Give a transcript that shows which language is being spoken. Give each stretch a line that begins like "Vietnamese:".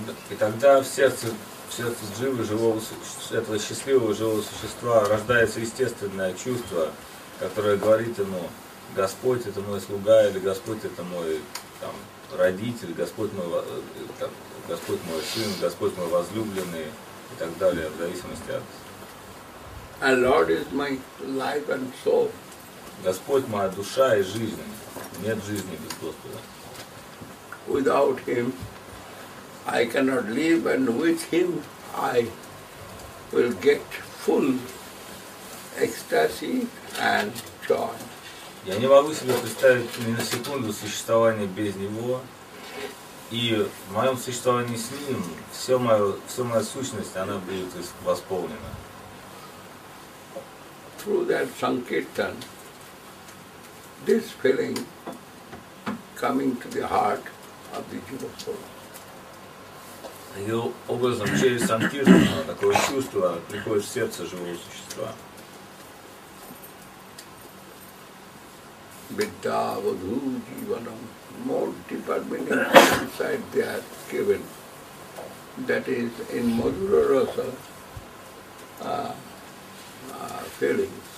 Russian: И тогда в сердце живы, живого, этого счастливого живого существа рождается естественное чувство, которое говорит ему: Господь — это мой слуга, или Господь — это мой там, родитель, Господь — мой сын, Господь — мой возлюбленный и так далее, в зависимости от...
English: And Lord is my life and soul.
Russian: Господь — моя душа и жизнь. Нет жизни без Господа.
English: Without Him I cannot live, and with Him I will get full ecstasy and joy.
Russian: Я не могу себе представить ни на секунду существования без Него, и в моем существовании с Ним вся моя сущность, она будет восполнена.
English: Through that sankirtan, this feeling coming to the heart of the jiva soul.
Russian: Таким образом, через санкиртан такое чувство приходит в сердце живого существа.
Sanskrit: Vidya vadhu jivanam,
English: more deeper meaning inside they are given. That is in madhura rasa feelings.